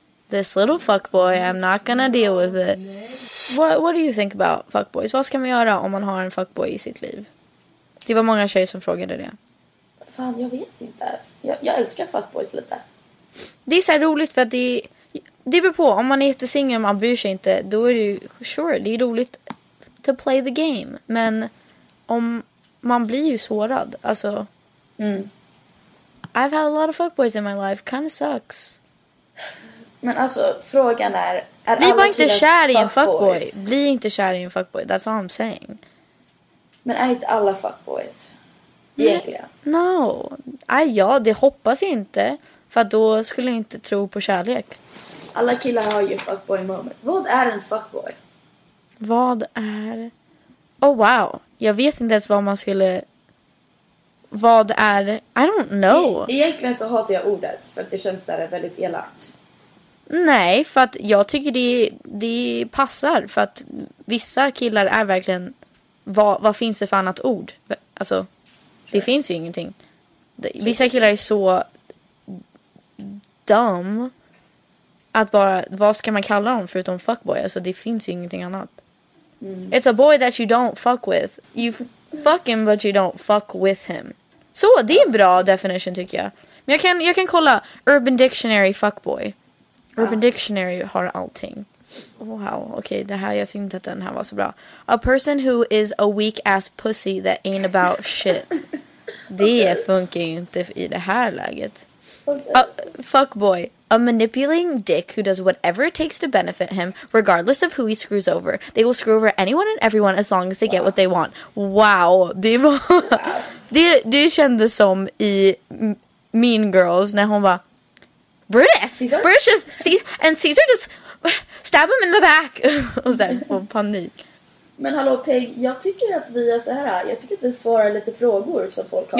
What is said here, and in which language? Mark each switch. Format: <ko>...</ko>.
<en>This little fuckboy, I'm not gonna deal with it. What do you think about fuckboys?</en> <sv>Vad ska man göra om man har en fuckboy i sitt liv? Det var många tjejer som frågade det. Fan, jag vet inte. Jag älskar fuckboys lite. Det är så här roligt för att det beror på, om man är jättesingel och man bryr sig inte, då är det ju, sure, det är roligt</sv> <en>to play the game.</en> <sv>Men om man blir ju sårad, alltså...</sv> <en>I've had a lot of fuckboys in my life, kind of sucks.</en> <sv>Men alltså, frågan är... Bli bara inte kär i en fuckboy. Bli inte kär i en fuckboy,</sv> <en>that's all I'm saying.</en> <sv>Men är inte alla fuckboys? Egentligen? No, det hoppas jag inte. För då skulle jag inte tro på kärlek. Alla killar har ju fuckboy moment. Vad är en fuckboy? Vad är... Oh wow. Jag vet inte ens vad man skulle</sv> <en>vad är... I don't know.</en> <sv>Egentligen så hatar jag ordet, för att det känns såhär väldigt elakt. Nej, för att jag tycker det passar. För att vissa killar är verkligen... Vad finns det för annat ord? Alltså, det finns ju ingenting. Vissa killar är så... dum. Att bara... Vad ska man kalla dem förutom fuckboy? Alltså, det finns ju ingenting annat. Mm.</sv> <en>It's a boy that you don't fuck with. You fuck him, but you don't fuck with him.</en> <sv>Så, det är en bra definition, tycker jag. Men jag kan kolla Urban Dictionary fuckboy. Urban Dictionary har allting. Wow, okej, det här, jag tyckte att den här var så bra.</sv> <en>A person who is a weak ass pussy that ain't about shit.</en> <sv>Det okay. funkar ju inte i det här läget.</sv> <en>Fuckboy. A manipulating dick who does whatever it takes to benefit him, regardless of who he screws over. They will screw over anyone and everyone as long as they get what they want.</en> <sv>Wow, det var... Det kändes som i Mean Girls när hon var...</sv> <en>Brutus! Brutus just... And Caesar just... Stab him in the back!</en> <sv>Och sen får panik. Men hallå Peg, jag tycker att vi gör så här. Jag tycker att vi svarar lite frågor som folk har.</sv>